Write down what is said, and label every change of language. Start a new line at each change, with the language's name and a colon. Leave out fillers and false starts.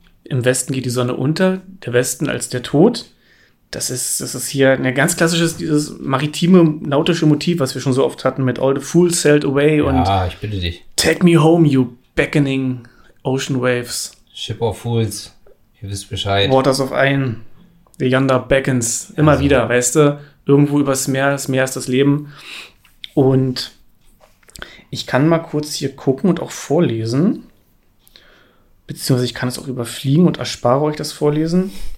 German: Im Westen geht die Sonne unter, der Westen als der Tod. Das ist hier ein ganz klassisches, dieses maritime, nautische Motiv, was wir schon so oft hatten mit All the Fools Sailed Away und ja, ich bitte dich.
English: Take me home, you beckoning ocean waves.
German: Ship of Fools, ihr wisst Bescheid.
English: Waters of Iron, the yonder beckons,
German: immer also. Wieder, weißt du, irgendwo übers Meer, das Meer ist das Leben. Und ich kann mal kurz hier gucken und auch vorlesen, beziehungsweise ich kann es auch überfliegen und erspare euch das Vorlesen.